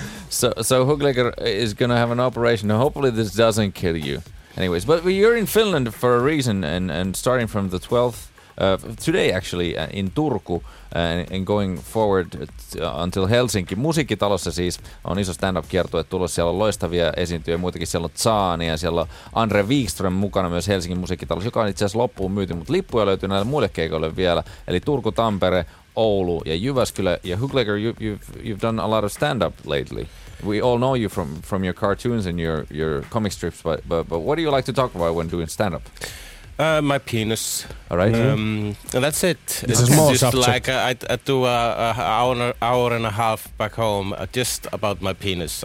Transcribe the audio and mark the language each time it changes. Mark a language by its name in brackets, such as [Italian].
[English] So Hugleger is gonna have an operation. Hopefully this doesn't kill you. Anyways, but you're in Finland for a reason, and starting from the 12th, today actually, in Turku, and going forward until Helsinki. [Finnish] Musiikkitalossa siis on iso stand-up-kiertue tulossa, siellä on loistavia esiintyjä, muitakin siellä on Zaania, siellä on Andre Wikström mukana myös Helsingin musiikkitalossa, joka on itse asiassa loppuun myyty, mutta lippuja löytyy näille muille keikoille vielä, eli Turku, Tampere, Oulu ja Jyväskylä. [English] Ja Hugleger, you've done a lot of stand-up lately. We all know you from your cartoons and your comic strips, but what do you like to talk about when doing stand-up? My penis. All right. That's it. This is more subject. Like I do an hour and a half back home just about my penis.